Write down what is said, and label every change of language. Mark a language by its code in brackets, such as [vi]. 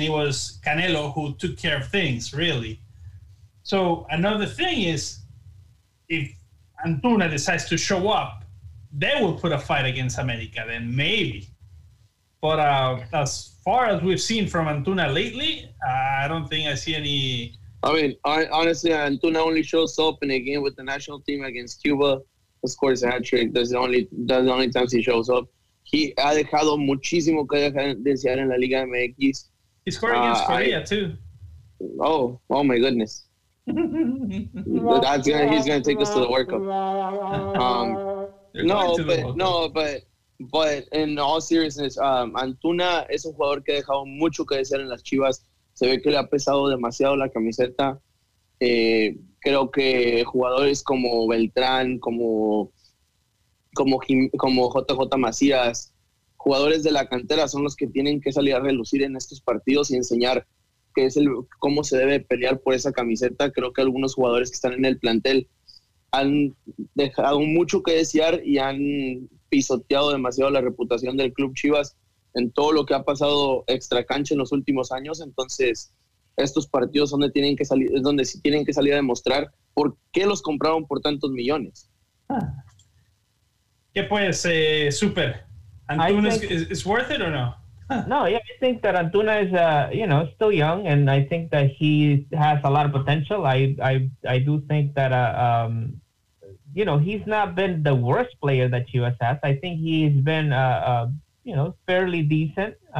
[en] It was Canelo who took care of things, really. So another thing is, if Antuna decides to show up, they will put a fight against America, then maybe. But as far as we've seen from Antuna lately, I don't think I see any. I mean, honestly, Antuna only shows up in a game with the national team against Cuba. Of course, a hat trick. That's the only times he shows up. [es] He ha dejado muchísimo que desear en la Liga MX. [en] He scored against Korea, too. Oh my goodness. he's gonna take us to the World Cup. But in all seriousness, [es] Antuna es un jugador que ha dejado mucho que desear en las Chivas. Se ve que le ha pesado demasiado la camiseta. Creo que jugadores como Beltrán, como JJ Macías, jugadores de la cantera, son los que tienen que salir a relucir en estos partidos y enseñar que es cómo se debe pelear por esa camiseta. Creo que algunos jugadores que están en el plantel han dejado mucho que desear y han pisoteado demasiado la reputación del club Chivas en todo lo que ha pasado extra cancha en los últimos años. Entonces, estos partidos son donde sí tienen que salir a demostrar por qué los compraron por tantos millones. ¿Qué puedes, Super? ¿Es [en] worth it [es] o no? [en] No, yeah, I think that Antuna is, you know, still young, and I think that he has a lot of potential. I do think that, you know, he's not been the worst player that Chivas has. I think he's been, you know, fairly decent.